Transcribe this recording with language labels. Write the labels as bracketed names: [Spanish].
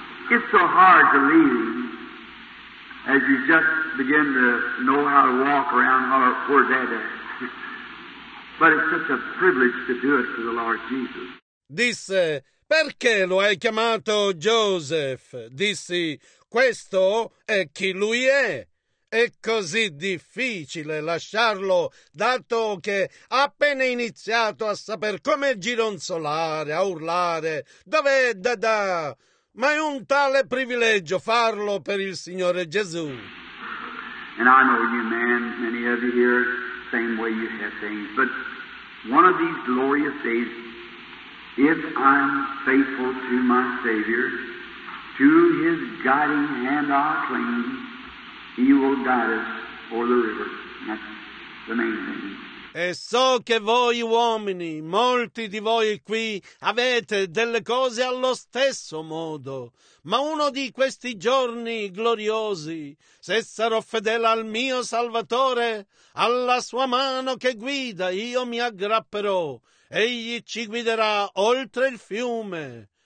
[English] It's so hard to leave him as you just begin to know how to walk around where dad is. But it's such a privilege to do it for the Lord Jesus. [Italian] Disse, "Perché lo hai chiamato Joseph?" Dissi, "Questo è chi lui è. È così difficile lasciarlo, dato che ha appena iniziato a saper come gironzolare, a urlare, dov'è Dada? Ma è un tale privilegio farlo per il Signore Gesù." [English] And I know you men, many of you here, same way you have things, but one of these glorious days, if I'm faithful to my Savior, to his guiding hand I cling, he will guide us over the river. That's the main thing. [Italian] E so che voi uomini, molti di voi qui, avete delle cose allo stesso modo. Ma uno di questi giorni gloriosi, se sarò fedele al mio Salvatore, alla sua mano che guida, io mi aggrapperò. Egli ci guiderà oltre il fiume.